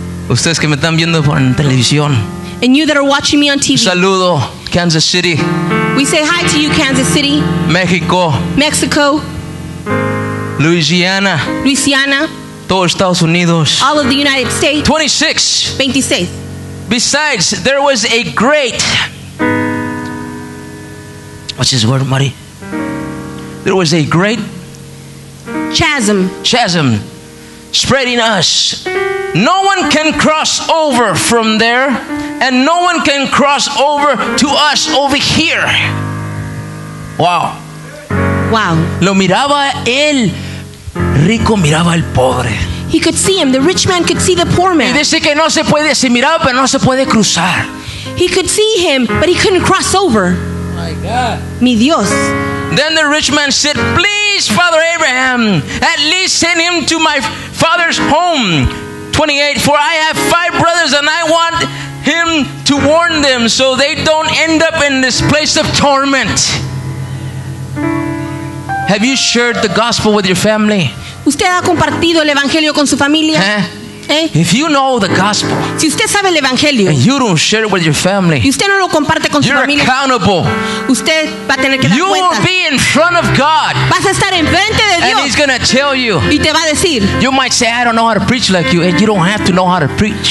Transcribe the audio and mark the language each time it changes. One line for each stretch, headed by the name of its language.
Spanish: Ustedes que me están viendo por en televisión,
English: and you that are watching me on TV,
Spanish: saludo, Kansas City.
English: We say hi to you, Kansas City. Mexico.
Spanish: Mexico.
English: Louisiana.
Spanish: Louisiana. Todos Estados Unidos.
English: All of the United States.
Spanish: 26.
English: 26. Besides, there was a great... What's his word, Marty? There was a great... chasm. Chasm. Spreading us. No one can cross over from there, and no one can cross over to us over here. Wow. Wow.
Spanish: Lo miraba él. Rico miraba al pobre.
English: He could see him. The rich man could see the poor man.
Spanish: Y dice que no se puede, se miraba, pero no se puede cruzar.
English: He could see him, but he couldn't cross over. My God.
Spanish: Mi Dios.
English: Then the rich man said, "Please, Father Abraham, at least send him to my father's home. 28, for I have five brothers and I want him to warn them so they don't end up in this place of torment." Have you shared the gospel with your family?
Spanish: ¿Usted ha compartido el evangelio con su familia?
English: ¿Eh? If you know the gospel,
Spanish: si usted sabe el evangelio,
English: and you don't share it with your family,
Spanish: y usted no lo comparte con su
English: you're
Spanish: familia,
English: accountable.
Spanish: Usted va a tener que dar
English: you
Spanish: cuenta.
English: Will be in front of God.
Spanish: Vas a estar enfrente de Dios.
English: And he's going to tell you.
Spanish: Y te va a decir,
English: you might say, "I don't know how to preach like you." And you don't have to know how to preach.